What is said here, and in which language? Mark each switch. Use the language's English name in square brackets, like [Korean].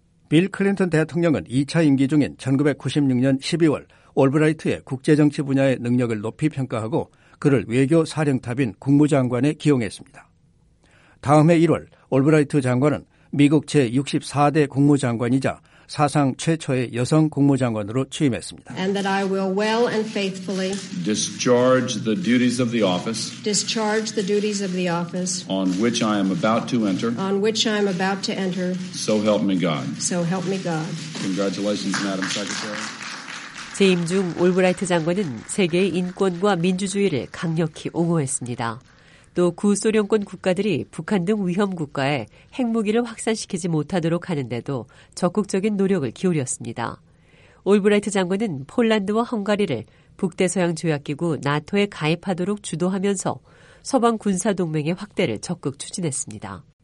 [Korean] 빌 클린턴 대통령은 2차 임기 중인 1996년 12월 올브라이트의 국제정치 분야의 능력을 높이 평가하고 그를 외교 사령탑인 국무장관에 기용했습니다. 다음해 1월 올브라이트 장관은 미국 제64대 국무장관이자 사상 최초의 여성 국무장관으로 취임했습니다. [English] And that I will well and faithfully discharge the duties of the office. Discharge the duties of the office on which I am about to enter. On which I am about to enter. So help me God. So help me God. Congratulations, Madam Secretary. [Korean] 재임 중 올브라이트 장관은 세계의 인권과 민주주의를 강력히 옹호했습니다. 또 구소련권 국가들이 북한 등 위험 국가에 핵무기를 확산시키지 못하도록 하는 데도 적극적인 노력을 기울였습니다. 올브라이트 장관은 폴란드와 헝가리를 북대서양 조약기구 나토에 가입하도록 주도하면서 서방 군사동맹의 확대를 적극 추진했습니다.